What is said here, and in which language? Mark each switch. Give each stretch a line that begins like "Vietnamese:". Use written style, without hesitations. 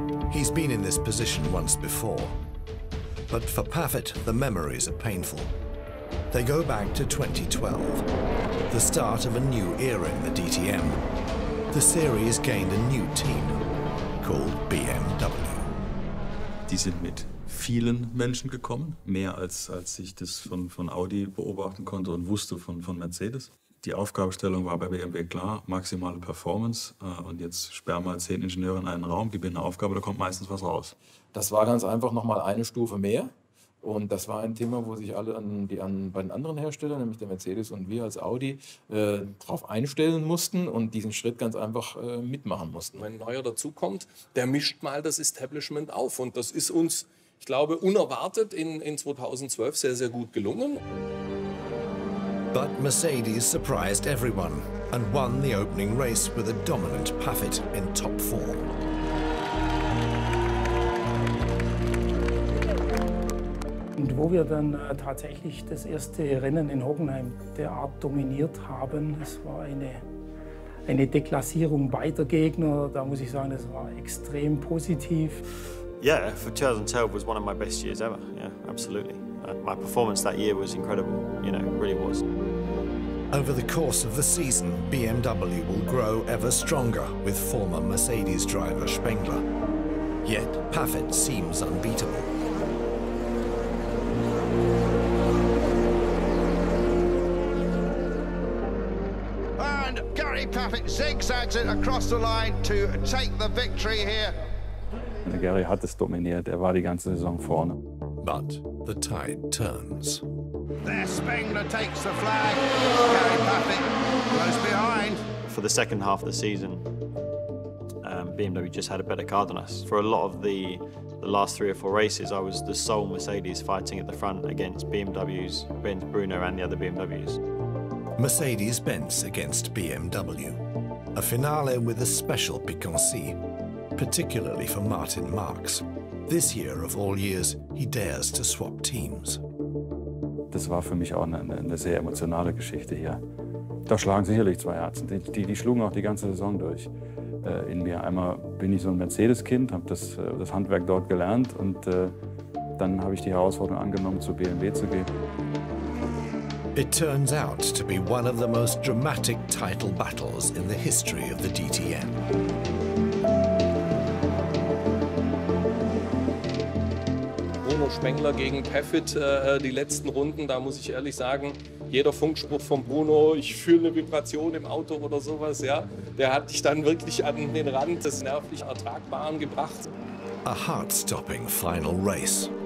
English: He's been in this position once before. But for Paffett, the memories are painful. They go back to 2012, the start of a new era in the DTM. The series gained a new team, called BMW.
German: Die sind mit vielen Menschen gekommen, mehr als ich das von Audi beobachten konnte und wusste von Mercedes. Die Aufgabenstellung war bei BMW klar, maximale Performance. Und jetzt sperren mal 10 Ingenieure in einen Raum, gib ihnen eine Aufgabe, da kommt meistens was raus. Das war ganz einfach nochmal eine Stufe mehr. Und das war ein Thema, wo sich alle bei den anderen Herstellern, nämlich der Mercedes und wir als Audi, darauf einstellen mussten und diesen Schritt ganz einfach mitmachen mussten. Wenn ein Neuer dazukommt, der mischt mal das Establishment auf. Und das ist uns, ich glaube, unerwartet in 2012 sehr, sehr gut gelungen.
English: But Mercedes surprised everyone and won the opening race with a dominant Paffett in top form.
German: Und wo wir dann tatsächlich das erste Rennen in Hockenheim derart dominiert haben, es war eine Deklassierung beider Gegner. Da muss ich sagen, es war extrem positiv.
English: Yeah, for 2012 was one of my best years ever. Yeah, absolutely. My performance that year was incredible. You know, really was. Over the course of the season, BMW will grow ever stronger with former Mercedes driver Spengler. Yet Paffett seems unbeatable. And Gary Paffett zigzags it across the line to take the victory here.
German: Gary hat es dominiert, er war die ganze Saison vorne.
English: But the tide turns. There, Spengler takes the flag. Gary Paffett goes behind. For the second half of the season, BMW just had a better car than us. For a lot of the last three or four races, I was the sole Mercedes fighting at the front against BMW's Benz Bruno and the other BMWs. Mercedes-Benz against BMW. A finale with a special piquancy. Particularly for Martin Marx. This year of all years, he dares to swap teams.
German: Das war für mich auch eine sehr emotionale Geschichte hier. Da schlagen sicherlich zwei Herzen. Die schlugen auch die ganze Saison durch in mir. Einmal bin ich so ein Mercedes-Kind, habe das Handwerk dort gelernt und dann habe ich die Herausforderung angenommen, zu BMW zu gehen.
English: It turns out to be one of the most dramatic title battles in the history of the DTM.
German: Spengler gegen Paffett, die letzten Runden, da muss ich ehrlich sagen, jeder Funkspruch von Bruno, ich fühle eine Vibration im Auto oder sowas, ja, der hat dich dann wirklich an den Rand des nervlich Ertragbaren gebracht.
English: A heart-stopping final race.